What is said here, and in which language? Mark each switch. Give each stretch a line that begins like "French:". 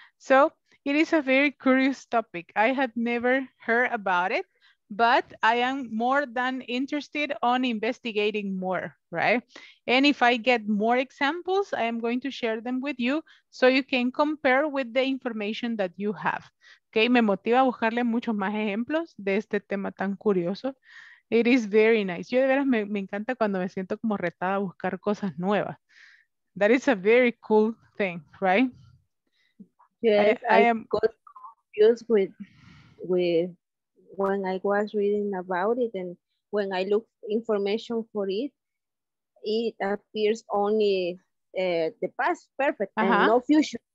English: So it is a very curious topic. I had never heard about it, but I am more than interested on investigating more, right? And if I get more examples, I am going to share them with you so you can compare with the information that you have.
Spanish: Okay, me motiva a buscarle muchos más ejemplos de este tema tan curioso.
English: It is very nice.
Spanish: Yo de veras me encanta cuando me siento como retada a buscar cosas nuevas.
English: That is a very cool thing, right? Yes, I got confused with when I was reading about it, and when I look information for it, it appears only the past perfect and no future.